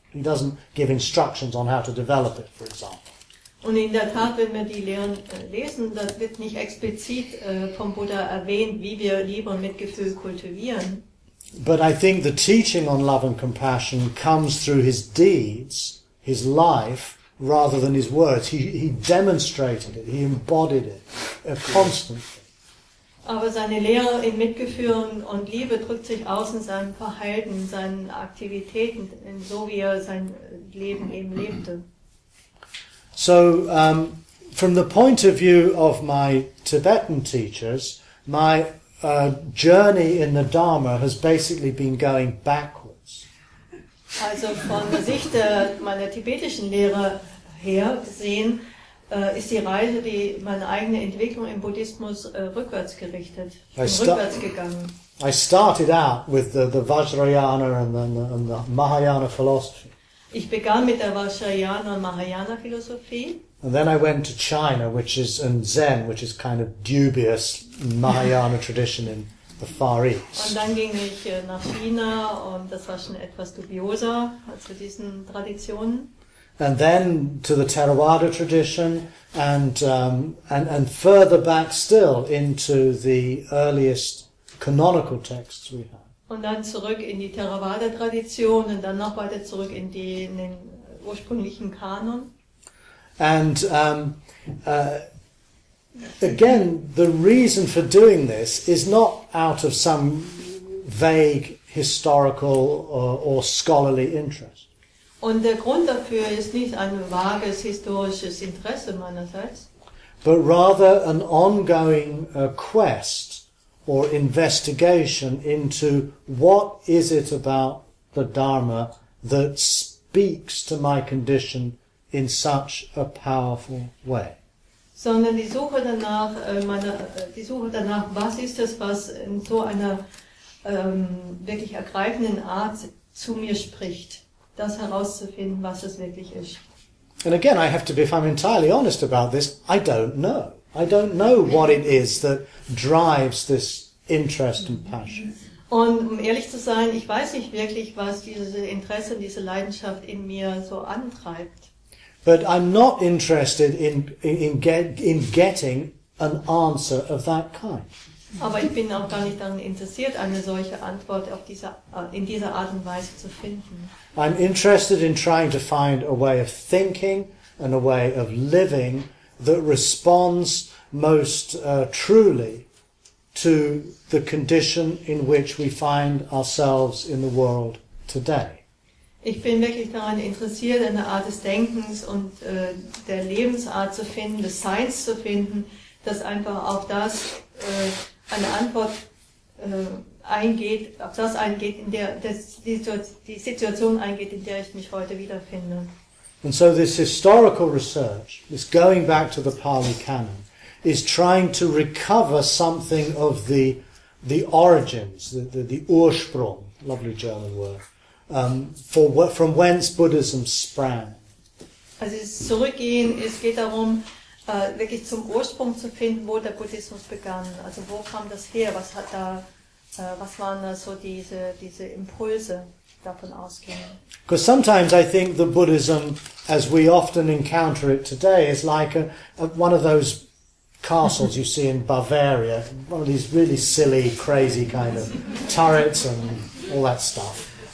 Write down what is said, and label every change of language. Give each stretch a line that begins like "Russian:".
English: He doesn't give instructions on how to develop it, for example.
German: Und in der Tat, wenn wir die Lehren lesen, das wird nicht explizit vom Buddha erwähnt, wie wir Liebe und Mitgefühl kultivieren.
English: But I think the teaching on love and compassion comes through his deeds, his life, rather than his words. He demonstrated it, he embodied it constantly.
German: Aber seine Lehre in Mitgefühl und Liebe drückt sich aus in seinem Verhalten, seinen Aktivitäten, in so wie er sein Leben eben lebte.
English: So, from the point of view of my Tibetan teachers, my journey in the Dharma has basically been going backwards.
German: Also von der Sicht meiner tibetischen Lehre her gesehen, ist die Reise, die meine eigene Entwicklung im Buddhismus rückwärts gerichtet, rückwärts gegangen.
English: I started out with the Vajrayana and the Mahayana philosophy.
German: Ich begann mit der Vajrayana und Mahayana Philosophie.
English: And then I went to China, which is and Zen, which is kind of dubious Mahayana tradition in the Far East.
German: Und dann ging ich nach China und das war schon etwas dubioser als zu diesen Traditionen.
English: And then to the Theravada tradition, and further back still into the earliest canonical texts we have.
German: Und dann zurück in die Theravada-Tradition und dann noch weiter zurück in die in den ursprünglichen Kanon.
English: And again, the reason for doing this is not out of some vague historical or scholarly interest.
German: Und der Grund dafür ist nicht ein vages historisches Interesse meinerseits.
English: But rather an ongoing quest or investigation into what is it about the Dharma that speaks to my condition in such a powerful way.
German: Sondern die Suche danach, was ist es, was in so einer wirklich ergreifenden Art zu mir spricht. Das herauszufinden, was es wirklich ist.
English: And again, I have to be, if I'm entirely honest about this, I don't know. I don't know what it is that drives this interest and passion.
German: Und ehrlich zu sein, ich weiß nicht wirklich, was dieses Interesse und diese Leidenschaft in mir so antreibt.
English: But I'm not interested in getting an answer of that kind.
German: Aber ich bin auch gar nicht daran interessiert, eine solche Antwort auf dieser, in dieser Art und Weise zu finden.
English: I'm interested in trying to find a way of thinking and a way of living that responds most truly to the condition in which we find ourselves in the world today.
German: Ich bin wirklich daran interessiert, eine Art des Denkens und der Lebensart zu finden, des Seins zu finden, das einfach auf das eine Antwort eingeht, ob das eingeht, in der die Situation eingeht, in der ich mich heute wiederfinde.
English: And so this historical research, this going back to the Pali Canon, is trying to recover something of the origins, the Ursprung, lovely German word, from whence Buddhism sprang.
German: Also zurückgehen, es geht darum, wirklich zum Ursprung zu finden, wo der Buddhismus begann. Also wo kam das her? Was hat da, was waren da so diese Impulse davon ausgehend?
English: Because sometimes I think the Buddhism, as we often encounter it today, is like one of those castles you see in Bavaria, one of these really silly, crazy kind of turrets and all that stuff.